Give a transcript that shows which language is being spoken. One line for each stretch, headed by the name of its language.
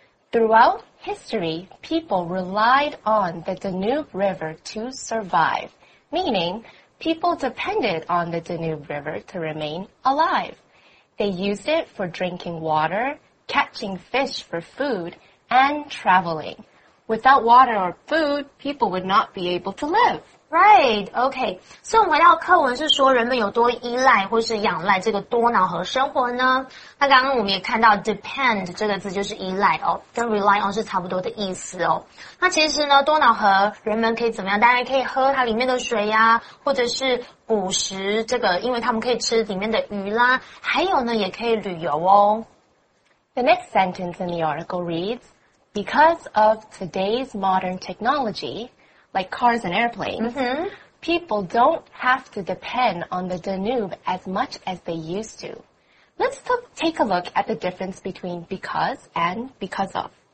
English: Throughout history, people relied on the Danube River to survive, meaning people depended on the Danube River to remain alive. They used it for drinking water, catching fish for food, and traveling. Without water or food, people would not be able to live. Right, okay.
Chinese: 所以我们回到课文是说人们有多依赖或是仰赖这个多瑙河生活呢？那刚刚我们也看到 depend 这个字就是依赖哦，跟 rely on 是差不多的意思哦。那其实呢，多瑙河人们可以怎么样？当然可以喝它里面的水呀，或者是捕食这个，因为他们可以吃里面的鱼啦。还有呢，也可以旅游哦。
English: The next sentence in the article reads, Because of today's modern technology,like cars and airplanes,、people don't have to depend on the Danube as much as they used to. Let's take a look at the difference between because and because of.